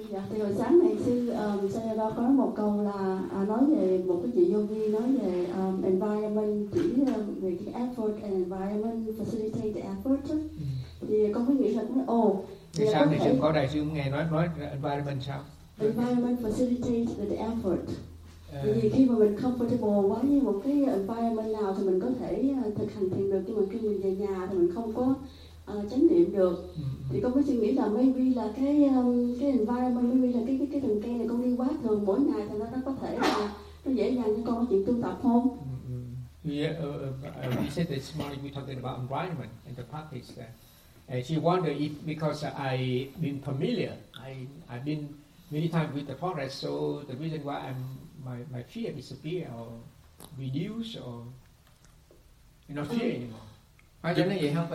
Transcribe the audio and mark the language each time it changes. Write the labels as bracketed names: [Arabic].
[Vietnamese] Thì hồi sáng này sư Sayadaw có một câu là nói về một cái chị yogi nói về environment, chỉ về cái [English] effort and environment facilitate the effort. [Vietnamese] Thì con có nghĩ là cũng thì sao thì sư có đại sư nghe nói environment sao? [English] Environment facilitate the effort. [Vietnamese] Thì khi mà mình comfortable quá như một cái environment nào thì mình có thể thực hành thiền được, nhưng mà khi mình về nhà thì mình không có chánh niệm được. Thì con có suy nghĩ là maybe là cái environment, maybe là cái thần kinh này con đi quá thường mỗi ngày thì nó có thể là nó dễ dàng cho con có chuyện tu tập không? [English] Yeah, we said this morning we're talking about environment and the practice. She wondered if because I've been familiar, I've been many times with the forest, so the reason why my fear disappear or reduce or you know fear anymore.